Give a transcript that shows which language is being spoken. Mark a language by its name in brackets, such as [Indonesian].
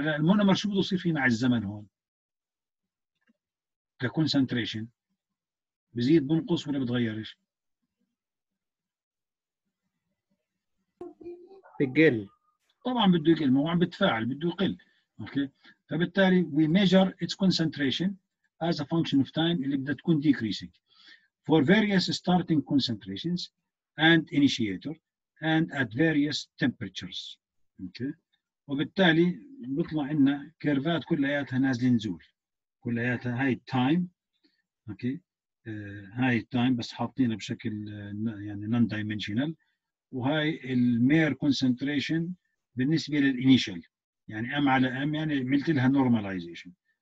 [Arabic] هلا المونومر شو بده يصير فيه مع الزمن هون كونسنتريشن؟ بزيد بنقص ولا بتغيرش؟ بقل طبعا، بده يقل، ما هو عم بتفاعل بده يقل. اوكي، فبالتالي [English] we measure its concentration as a function of time [Arabic] اللي بدها تكون [English] decreasing for various starting concentrations and initiator and at various temperatures. [Arabic] اوكي، وبالتالي بيطلع لنا كيرفات كلياتها نازله نزول، كلياتها هاي التايم. اوكي، هاي التايم بس حاطينها بشكل يعني نون دايمنشنال، وهاي المير كونسنتريشن بالنسبه للانيشال يعني ام على ام، يعني عملت لها نورماليزيشن.